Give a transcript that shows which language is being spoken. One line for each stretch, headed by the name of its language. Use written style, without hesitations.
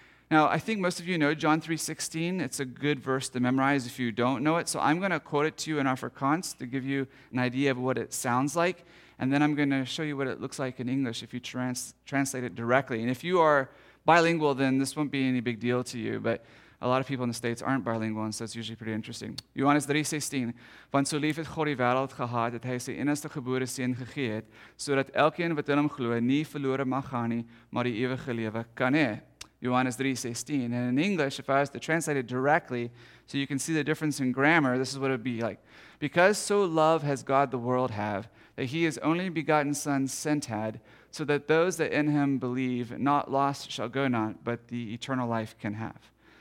English: Now, I think most of you know John 3:16. It's a good verse to memorize if you don't know it. So I'm going to quote it to you in Afrikaans to give you an idea of what it sounds like. And then I'm going to show you what it looks like in English if you translate it directly. And if you are bilingual, then this won't be any big deal to you. But a lot of people in the States aren't bilingual, and so it's usually pretty interesting.
Afrikaans: Johannes 3:16. Want so lief het God die wereld gehad, dat hy sy enigste gebore seun gegee het, sodat elkeen wat in hom glo, nie verlore mag gaan nie, maar die ewige lewe kan hê. Johannes 3:16.
English: And in English, if I was to translate it directly, so you can see the difference in grammar, this is what it would be like. Because so love has God the world have, that he his only begotten son sent had, so that those that in him believe, not lost shall go not, but the eternal life can have.